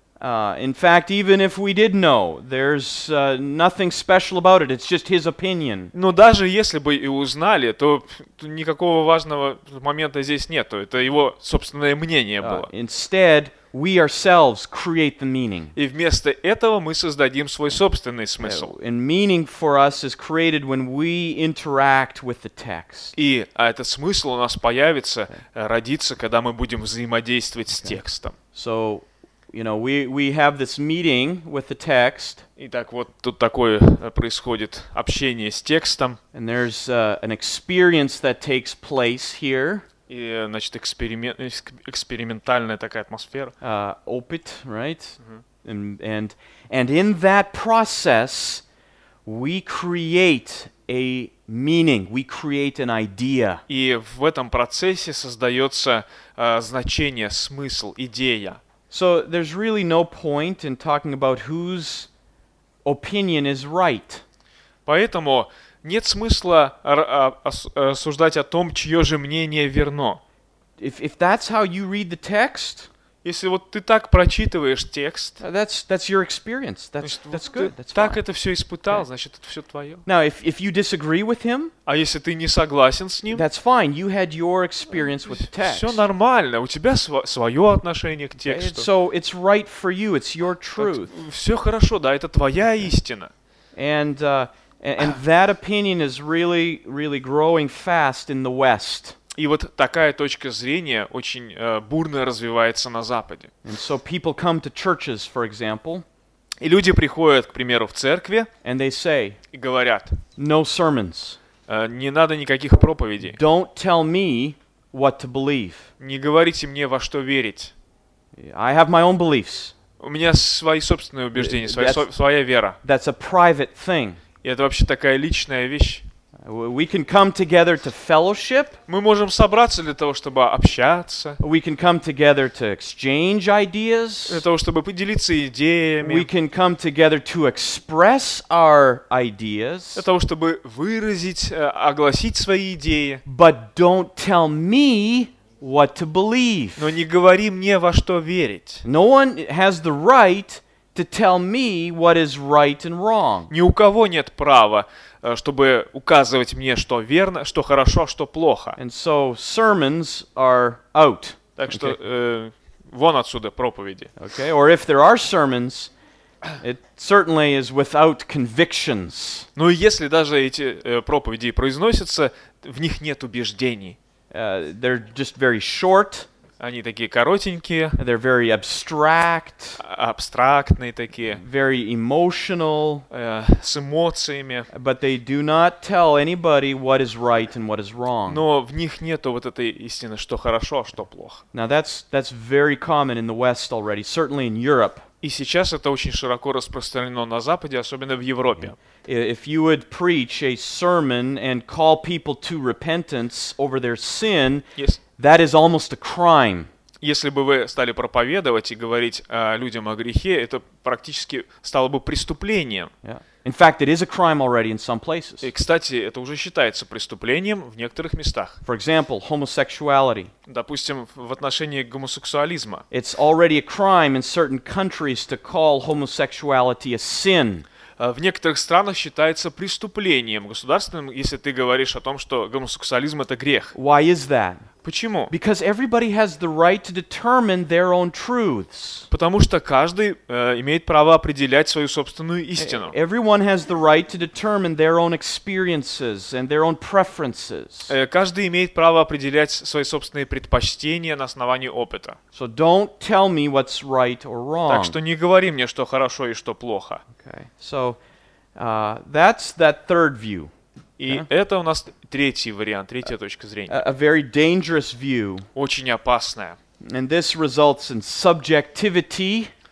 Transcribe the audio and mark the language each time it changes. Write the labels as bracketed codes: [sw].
[en] In fact, even if we did know, there's nothing special about it. It's just his opinion. [ru] Но даже если бы и узнали, то никакого важного момента здесь нет. Это его собственное мнение было. [en] Instead, we ourselves create the meaning. [ru] И вместо этого мы создадим свой собственный смысл. [en] And meaning for us is created when we interact with the text. [ru] И этот смысл у нас появится, родится, когда мы будем взаимодействовать с текстом. [en] So, you know, we have this meeting with the text. [ru] Итак, вот тут такое происходит общение с текстом. [en] And there's an experience that takes place here. [ru] И, значит, экспериментальная такая атмосфера. Опыт, [en] right? Uh-huh. And in that process, we create a meaning, we create an idea. [ru] И в этом процессе создается значение, смысл, идея. [en] So there's really no point in talking about whose opinion is right. [ru] Поэтому нет смысла рассуждать о том, чье же мнение верно. [en] If that's how you read the text, [ru] если вот ты так прочитываешь текст, [en] that's your experience. That's good. That's [ru] так это все испытал, [en] okay. [ru] Значит, это все твое. [en] Now, if you disagree with him, [ru] а если ты не согласен с ним, [en] that's fine. You had your experience with the text. [ru] Все нормально, у тебя свое отношение к тексту. [en] So it's right for you. It's your truth. [ru] Все хорошо, да, это твоя истина. [en] And that opinion is really, really growing fast in the West. [ru] И вот такая точка зрения очень бурно развивается на Западе. [en] And so people come to churches, for example. [ru] И люди приходят, к примеру, в церкви. [en] And they say. [ru] И говорят. [en] No sermons. [ru] Не надо никаких проповедей. [en] Don't tell me what to believe. [ru] Не говорите мне, во что верить. [en] I have my own beliefs. [ru] У меня свои собственные убеждения, своя вера. [en] That's a private thing. [ru] И это вообще такая личная вещь. [en] We can come together to fellowship. [ru] Мы можем собраться для того, чтобы общаться. [en] We can come together to exchange ideas. [ru] Для того, чтобы поделиться идеями. [en] We can come together to express our ideas. [ru] Для того, чтобы выразить, огласить свои идеи. [en] But don't tell me what to believe. [ru] Но не говори мне, во что верить. [en] No one has the right to tell me what is right and wrong. [ru] Ни у кого нет права, чтобы указывать мне, что верно, что хорошо, что плохо. [en] And so sermons are out. [ru] Так что вон отсюда проповеди. [en] Okay. Or if there are sermons, it certainly is without convictions. [ru] Ну и если даже эти проповеди произносятся, в них нет убеждений. [en] They're just very short. [ru] Они такие коротенькие. [en] They're very abstract. [ru] Абстрактные такие. [en] Very emotional. [ru] С эмоциями. [en] But they do not tell anybody what is right and what is wrong. [ru] Но в них нету вот этой истины, что хорошо, а что плохо. [en] Now that's very common in the West already, certainly in Europe. [ru] И сейчас это очень широко распространено на Западе, особенно в Европе. [en] If you would preach a sermon and call people to repentance over their sin, yes. That is almost a crime. [ru] Если бы вы стали проповедовать и говорить людям о грехе, это практически стало бы преступлением. [en] Yeah. In fact, it is a crime already in some places. [ru] И, кстати, это уже считается преступлением в некоторых местах. [en] For example, homosexuality. [ru] Допустим, в отношении гомосексуализма. [en] It's already a crime in certain countries to call homosexuality a sin. [ru] В некоторых странах считается преступлением государственным, если ты говоришь о том, что гомосексуализм — это грех. [en] Why is that? [ru] Почему? [en] Because everybody has the right to determine their own truths. [ru] Потому что каждый имеет право определять свою собственную истину. [en] Everyone has the right to determine their own experiences and their own preferences. [ru] Каждый имеет право определять свои собственные предпочтения на основании опыта. [en] So don't tell me what's right or wrong. [ru] Так что не говори мне, что хорошо и что плохо. [en] Okay. So that's that third view. [ru] И это у нас третий вариант, третья точка зрения. [en] A very dangerous view. [ru] Очень опасная. [en] And this results in subjectivity.